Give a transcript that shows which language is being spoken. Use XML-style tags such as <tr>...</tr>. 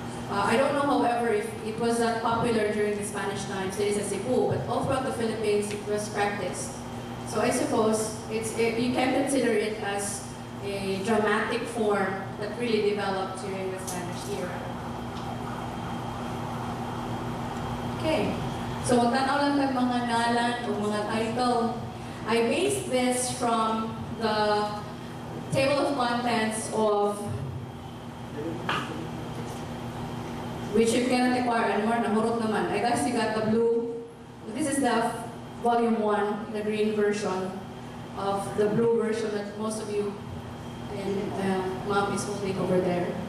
<en>I don't know, however, if it was that popular during the Spanish times, it is a Cebu, but all throughout the Philippines, it was practiced. So I suppose you can consider it as a dramatic form that really developed during the Spanish era.</en> <ceb>Okay, so magtanaw lang kag mga ngalan o mga title.</ceb> <en>I based this from the table of contents of which you cannot acquire anymore,</en> <ceb>namurot naman.</ceb> <en>I actually got the blue, this is the volume one, the green version of the blue version that most of you and mom is holding over there.</en>